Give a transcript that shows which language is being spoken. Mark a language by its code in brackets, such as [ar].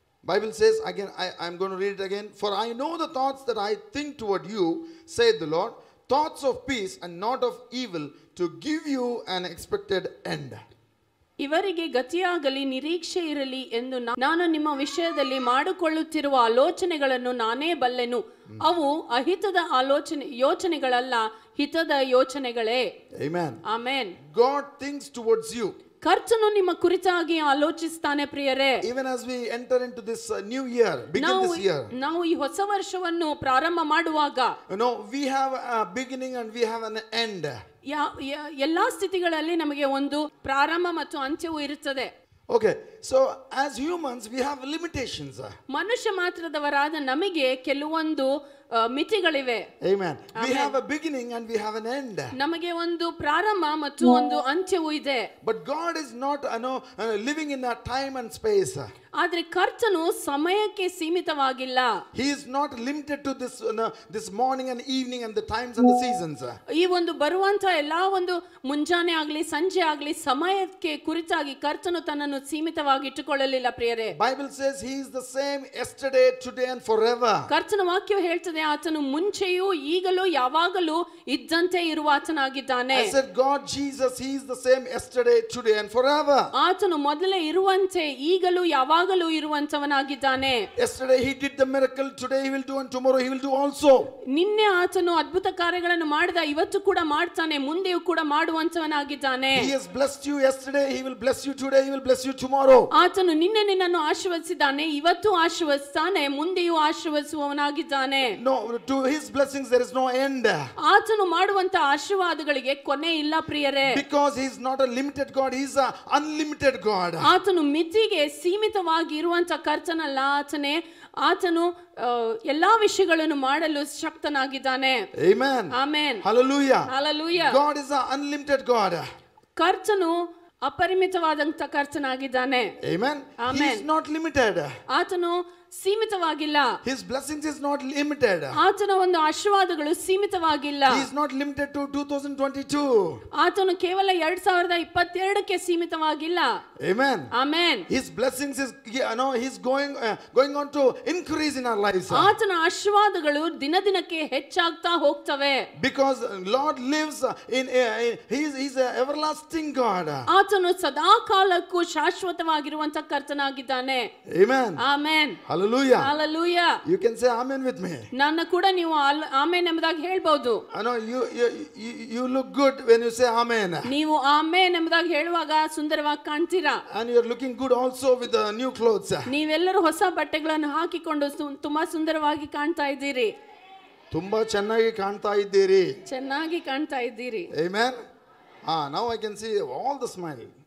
[en] Bible says again, I am going to read it again. For I know the thoughts that I think toward you, saith the Lord, thoughts of peace and not of evil to give you an expected end. [kn] ಇವರಿಗೆ ಗತಿಯಾಗಲಿ ನಿರೀಕ್ಷೆ ಇರಲಿ ಎಂದು ನಾನು ನಿಮ್ಮ ವಿಷಯದಲ್ಲಿ ಮಾಡಿಕೊಳ್ಳುತ್ತಿರುವ ಆಲೋಚನೆಗಳನ್ನು ನಾನೇ ಬಲ್ಲೆನು. ಅವು ಅಹಿತದ ಆಲೋಚನೆ ಯೋಚನೆಗಳಲ್ಲ, ಹಿತದ ಯೋಚನೆಗಳೇ. [en] Amen. Amen. God thinks towards you. [kn] ಕರ್ತನು ನಿಮ್ಮ ಕುರಿತಾಗಿ ಆಲೋಚಿಸುತ್ತಾನೆ ಪ್ರಿಯರೇ. [en] Even as we enter into this new year, begin this year. [kn] ನಾವು ಈ ಹೊಸ ವರ್ಷವನ್ನು ಪ್ರಾರಂಭ ಮಾಡುವಾಗ, [en] you know, we have a beginning and we have an end. [kn] ಎಲ್ಲಾ ಸ್ಥಿತಿಗಳಲ್ಲಿ ನಮಗೆ ಒಂದು ಪ್ರಾರಂಭ ಮತ್ತು ಅಂತ್ಯವು ಇರುತ್ತದೆ. [en] Okay, so as humans we have limitations. [kn] ಮನುಷ್ಯ ಮಾತ್ರದವರಾದ ನಮಗೆ ಕೆಲವೊಂದು ಮಿತಿಗಳಿವೆ. [en] Amen. We have a beginning and we have an end. [kn] ನಮಗೆ ಒಂದು ಪ್ರಾರಂಭ ಮತ್ತು ಒಂದು ಅಂತ್ಯವೂ ಇದೆ. [en] But God is not living in a time and space. [kn] ಆದರೆ ಕರ್ತನು ಸಮಯಕ್ಕೆ ಸೀಮಿತವಾಗಿಲ್ಲ. [en] He is not limited to this morning and evening and the times and the seasons. [kn] ಈ ಒಂದು ಬರುವಂತ ಎಲ್ಲಾ ಒಂದು ಮುಂಜಾನೆ ಆಗಲಿ ಸಂಜೆ ಆಗಲಿ ಸಮಯಕ್ಕೆ ಕುರಿತಾಗಿ ಕರ್ತನು ತನ್ನನ್ನು ಸೀಮಿತವಾಗಿ ಇಟ್ಟುಕೊಳ್ಳಲಿಲ್ಲ ಪ್ರಿಯರೇ. [en] Bible says he is the same yesterday, today and forever. [kn] ಕರ್ತನ ವಾಕ್ಯ ಹೇಳ್ತದೆ ಆತನು ಮುಂಚೆಯೂ ಈಗಲೂ ಯಾವಾಗಲೂ ಇದ್ದಂತೆ ಇರುವಾತನಾಗಿದ್ದಾನೆ. [en] I said God Jesus he is the same yesterday, today and forever. [kn] ಆತನು ಮೊದಲೇ ಇರುವಂತೆ ಈಗಲೂ ಯಾವಾಗಲೂ ಇರುವಂತವನಾಗಿದ್ದಾನೆ. [en] Yesterday he did the miracle, today he will do and tomorrow he will do also. [kn] ನಿನ್ನೆ ಆತನು ಅದ್ಭುತ ಕಾರ್ಯಗಳನ್ನು ಮಾಡಿದ, ಇವತ್ತು ಕೂಡ ಮಾಡುತ್ತಾನೆ, ಮುಂದೆಯೂ ಕೂಡ ಮಾಡುವಂತವನಾಗಿದ್ದಾನೆ. [en] He has blessed you yesterday, he will bless you today, he will bless you tomorrow. [kn] ಆತನು ನಿನ್ನೆ ನಿನ್ನನ್ನು ಆಶೀರ್ವದಿಸಿದ್ದಾನೆ, ಇವತ್ತು ಆಶೀರ್ವದಿಸುತ್ತಾನೆ, ಮುಂದೆಯೂ ಆಶೀರ್ವದಿಸುವವನಾಗಿದ್ದಾನೆ. [en] No, to his blessings there is no end. [kn] ಆತನು ಮಾಡುವಂತ ಆಶೀರ್ವಾದಗಳಿಗೆ ಕೊನೆ ಇಲ್ಲ ಪ್ರಿಯರೇ. [en] Because he is not a limited God, he is a unlimited God. [kn] ಆತನು ಮಿತಿಗೆ ಸೀಮಿತ ಆಗಿರುವಂತ ಕರ್ತನಲ್ಲ ಆತನೇ. ಆತನು ಎಲ್ಲಾ ವಿಷಯಗಳನ್ನು ಮಾಡಲು ಶಕ್ತನಾಗಿದ್ದಾನೆ. Amen. Amen. Hallelujah. Hallelujah. [en] God is an unlimited God. [kn] ಕರ್ತನು ಅಪರಿಮಿತವಾದಂತ ಕರ್ತನಾಗಿದ್ದಾನೆ. Amen. Amen. [en] He is not limited. [kn] ಆತನು ಸೀಮಿತವಾಗಿಲ್ಲ. [en] His blessings is not limited. [kn] ಆತನ ಒಂದು ಆಶೀರ್ವಾದಗಳು ಸೀಮಿತವಾಗಿಲ್ಲ. [en] He is not limited to 2022. [kn] ಆತನು ಕೇವಲ 2022 ಕ್ಕೆ ಸೀಮಿತವಾಗಿಲ್ಲ. [en] Amen. Amen. His blessings is he's going on to increase in our lives. [kn] ಆತನ ಆಶೀರ್ವಾದಗಳು ದಿನದಿನಕ್ಕೆ ಹೆಚ್ಚಾಗ್ತಾ ಹೋಗ್ತವೆ. [en] Because Lord lives in he's a everlasting God. [kn] ಆತನು ಸದಾಕಾಲಕ್ಕೂ ಶಾಶ್ವತವಾಗಿರುವಂತ ಕರ್ತನಾಗಿದ್ದಾನೆ. [en] Amen. Amen. Hallelujah. Hallelujah. You can say amen with me. [kn] ನನ್ನ ಕೂಡ ನೀವು amen ಎಂಬುದಾಗಿ ಹೇಳಬಹುದು. [en] I know you look good when you say amen. [kn] ನೀವು ಆಮೆನ್ ಎಂಬುದಾಗಿ ಹೇಳುವಾಗ ಸುಂದರವಾಗಿ ಕಾಣ್ತೀರಾ. [en] And you are looking good also with the new clothes. [kn] ನೀವೆಲ್ಲರೂ ಹೊಸ ಬಟ್ಟೆಗಳನ್ನು ಹಾಕಿಕೊಂಡು ತುಂಬಾ ಸುಂದರವಾಗಿ ಕಾಣ್ತಾ ಇದ್ದೀರಿ. ತುಂಬಾ ಚೆನ್ನಾಗಿ ಕಾಣ್ತಾ ಇದ್ದೀರಿ. ಚೆನ್ನಾಗಿ ಕಾಣ್ತಾ ಇದ್ದೀರಿ. [en] Amen. Ah, now I can see all the smile.